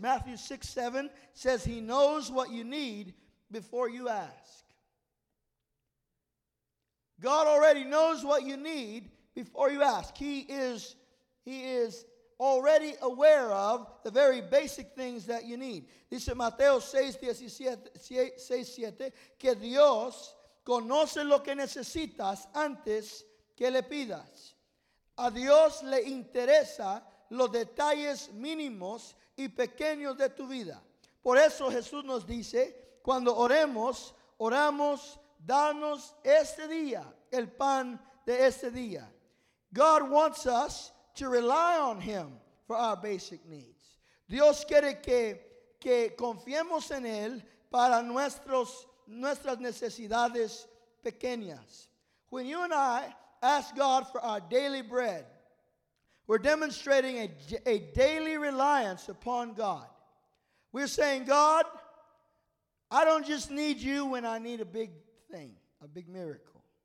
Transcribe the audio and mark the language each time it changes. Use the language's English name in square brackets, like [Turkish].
[English] Matthew 6, 7 says he knows what you need before you ask. God already knows what you need before you ask. He is already aware of the very basic things that you need. [Spanish] Dice Mateo 6:17 que Dios conoce lo que necesitas antes que le pidas. A Dios le interesa los detalles mínimos y pequeños de tu vida. Por eso Jesús nos dice, cuando oramos, danos este día, el pan de este día. [English] God wants us to rely on him for our basic needs. [Spanish] Dios quiere que confiemos en él para nuestras necesidades pequeñas. [English] When you and I ask God for our daily bread, we're demonstrating a daily reliance upon God. We're saying, God, I don't just need you when I need a big thing, a big miracle.